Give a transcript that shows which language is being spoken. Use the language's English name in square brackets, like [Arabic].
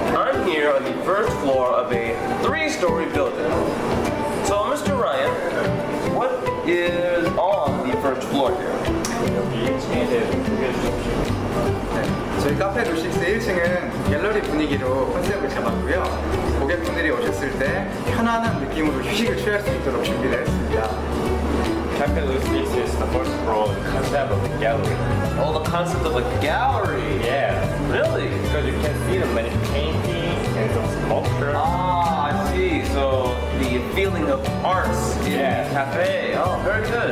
[English] I'm here on the first floor of a three-story building. So, Mr. Ryan, what is on the first floor here? [Korean] 저희 카페 루 6의 1층은 갤러리 분위기로 컨셉을 잡았고요. 고객분들이 오셨을 때 편안한 느낌으로 휴식을 취할 수 있도록 준비를 했습니다. [English] Cafe Rue 6 is the first broad concept of the gallery. Oh, the concept of a gallery? Yeah. Really? Because you can see the many paintings and some sculptures. Ah, I see. So the feeling of arts in the cafe. Oh, very good.